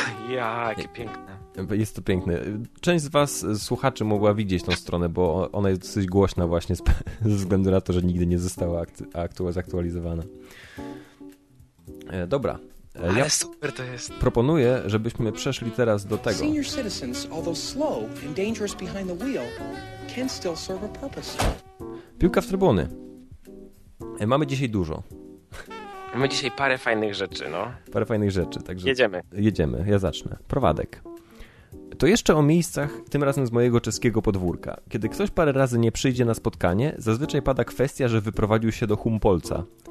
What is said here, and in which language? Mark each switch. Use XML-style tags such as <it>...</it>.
<pl>Jakie piękne. Jest to piękne. Część z was, słuchaczy, mogła widzieć tą stronę, bo ona jest dosyć głośna właśnie ze względu na to, że nigdy nie została zaktualizowana. Dobra. Ja ale super to jest. Proponuję, żebyśmy przeszli teraz do tego.</pl> <en>Senior citizens, although slow and dangerous behind the wheel, can still serve a purpose.</en> <pl>Piłka w trybuny. Mamy dzisiaj dużo. Mamy dzisiaj parę fajnych rzeczy, no. Parę fajnych rzeczy, także... Jedziemy. Jedziemy, ja zacznę. Prowadek. to jeszcze o miejscach, tym razem z mojego czeskiego podwórka. Kiedy ktoś parę razy nie przyjdzie na spotkanie, zazwyczaj pada kwestia, że wyprowadził się do Humpolca.</pl>